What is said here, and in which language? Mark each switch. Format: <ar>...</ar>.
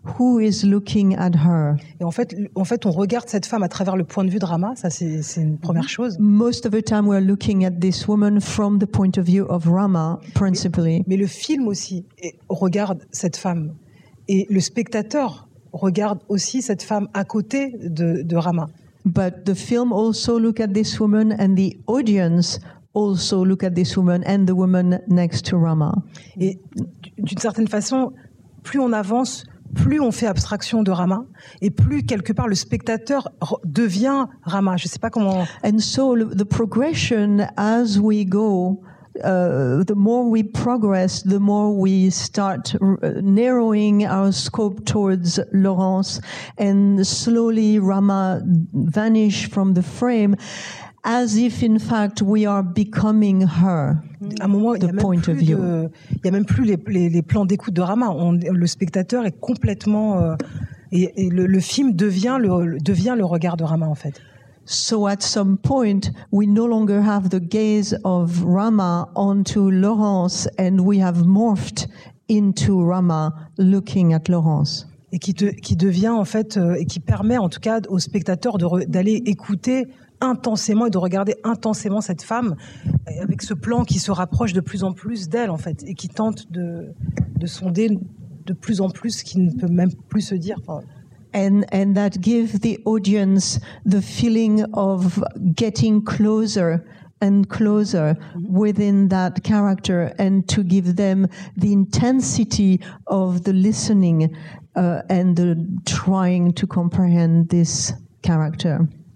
<en>Who is looking at her?</en> <fr>Et en fait, on regarde cette femme à travers le point de vue drama. Ça, c'est une première chose.</fr> <en>Most of the time, we are looking at this woman from the point of view of drama, principally.</en> <fr>Mais le film aussi regarde cette femme, et le spectateur regarde aussi cette femme à côté de Rama.</fr> <en>But the film also look at this woman and the audience also look at this woman and the woman next to Rama.</en> <fr>Et d'une certaine façon, plus on avance, plus on fait abstraction de Rama et plus quelque part le spectateur devient Rama. Je sais pas comment.</fr> <en>And so the progression as we go, the more we progress, the more we start narrowing our scope towards Laurence, and slowly Rama vanish from the frame. as if in fact we are becoming her.</en> <fr>À un moment, il y a même plus les plans d'écoute de Rama. Le spectateur est complètement et le film devient le regard de Rama en fait.</fr> <en>So at some point, we no longer have the gaze of Rama onto Laurence, and we have morphed into Rama looking at Laurence.</en> <fr>Et qui devient en fait et qui permet en tout cas au spectateur d'aller écouter intensément et de regarder intensément cette femme avec ce plan qui se rapproche de plus en plus d'elle en fait et qui tente de sonder de plus en plus ce qui ne peut même plus se dire. Enfin,</fr> <en>And that gives the audience the feeling of getting closer and closer within that character, and to give them the intensity of the listening and the trying to comprehend this character.</en>